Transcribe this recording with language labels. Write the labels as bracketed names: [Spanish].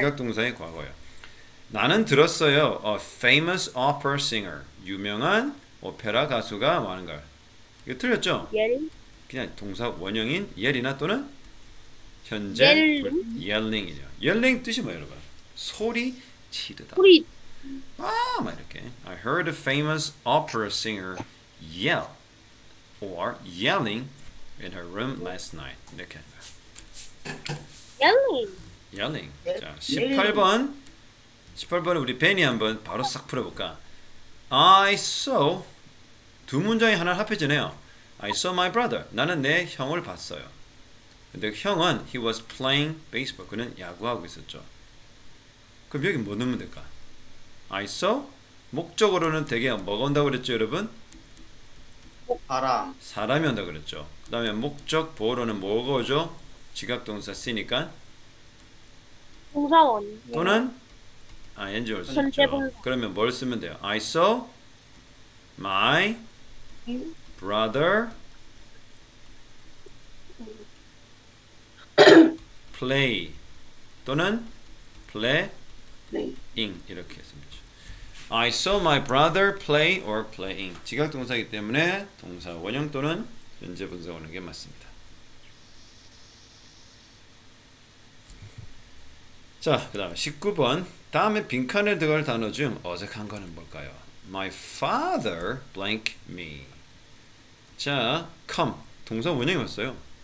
[Korean] 지각동사의 과거예요. 나는 들었어요. [English] A famous opera singer. [Korean] 유명한 오페라 가수가 많은 걸. 이거 틀렸죠? 예린? 그냥 동사 원형인 yell이나 또는 현재 예린? yelling이죠. yelling 뜻이 뭐예요, 여러분? 소리 지르다. 우리 아, 막 이렇게. [English] I heard a famous opera singer yell or yelling in her room last night. [Korean] 이렇게 예린? yelling. 자, 18번. 18번은 우리 벤이 한번 바로 싹 풀어볼까? [English] I saw [Korean] 두 문장이 하나 합해지네요. [English] I saw my brother. [Korean] 나는 내 형을 봤어요. 근데 형은 [English] he was playing baseball. [Korean] 그는 야구하고 있었죠. 그럼 여기 뭐 넣으면 될까? [English] I saw [Korean] 목적으로는 되게 뭐가 온다고 그랬죠, 여러분? 바람. 사람이 온다고 그랬죠. 그 다음에 목적 보호로는 뭐가 오죠? 지각동사 쓰니까. 동사원. 또는 ing 올수 있죠. 현재분사. 그러면 뭘 쓰면 돼요? [English] I saw my brother play [Korean] 또는 [English] playing [Korean] 이렇게 쓰면 되죠. [English] I saw my brother play or playing. [Korean] 지각동사이기 때문에 동사 원형 또는 현재 분사 오는 게 맞습니다. 자, 그 다음 19번. 다음에 빈칸에 들어갈 단어 중 어색한 거는 뭘까요? [English] My father blank me. [Korean] 자, [English] come. [Korean] 동사 원형이 왔어요.